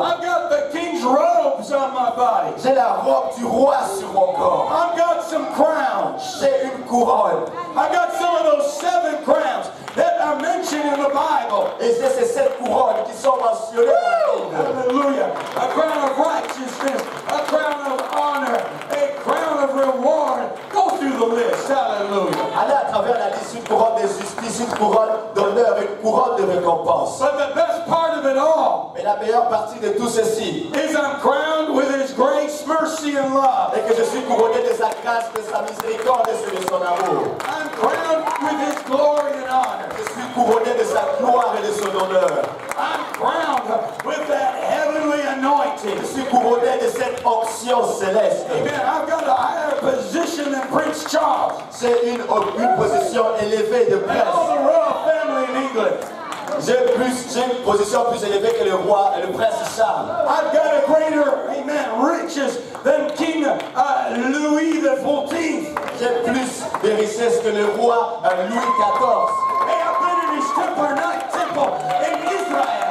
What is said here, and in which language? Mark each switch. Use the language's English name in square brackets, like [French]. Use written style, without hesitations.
[English] I've got the king's robes on my body. [French] J'ai la robe du roi sur mon corps. [English] I've got some crowns. [French] J'ai une couronne. [English] I've got some of those seven crowns that are mentioned in the Bible. [French] Et c'est ces sept couronnes qui sont mentionnées. [English] Hallelujah. A crown of righteousness, a crown of honor, a crown of reward. Go through the list. Hallelujah. [French] Allez à travers la liste, une couronne de justice, une couronne d'honneur, une couronne de récompense. [English] But the best part of it all, [French] mais la meilleure partie de tout ceci, [English] is I'm crowned with his grace, mercy, and love. [French] Et que je suis couronné de sa grâce, de sa miséricorde et de son amour. [English] I'm crowned with his glory and honor. [French] Je suis couronné de sa gloire et de son honneur. [English] I'm crowned with that heavenly anointing. [French] Je suis couronné de cette onction céleste. [English] Amen. I've got a higher position than Prince Charles. [French] C'est une position élevée de prince. [English] And all the royal family in England. [French] J'ai une position plus élevée que le roi et le prince Charles. [English] I've got a greater, amen, riches than King Louis the 14th. [French] J'ai plus de richesses que le roi Louis XIV. [English] Hey, I've been in his temple, night temple.